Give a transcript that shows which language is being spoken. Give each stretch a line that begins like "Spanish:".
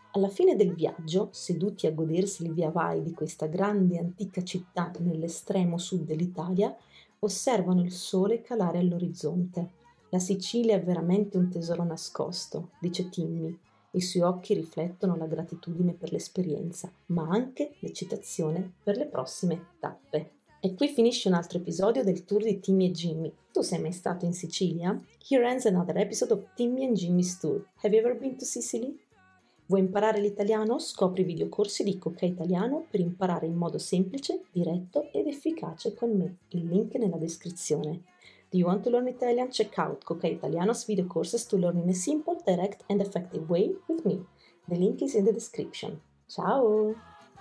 Italian: Alla fine del viaggio, seduti a godersi il via vai di questa grande antica città nell'estremo sud dell'Italia, osservano il sole calare all'orizzonte. «La Sicilia è veramente un tesoro nascosto», dice Timmy. I suoi occhi riflettono la gratitudine per l'esperienza, ma anche l'eccitazione per le prossime tappe. E qui finisce un altro episodio del tour di Timmy e Jimmy. Tu sei mai stato in Sicilia?
English: Here ends another episode of Timmy and Jimmy's Tour. Have you ever been to Sicily?
Italian: Vuoi imparare l'italiano? Scopri i videocorsi di Cocai Italiano per imparare in modo semplice, diretto ed efficace con me. Il link è nella descrizione.
English: Do you want to learn Italian? Check out Cocai Italiano's video courses to learn in a simple, direct and effective way with me. The link is in the description. Ciao!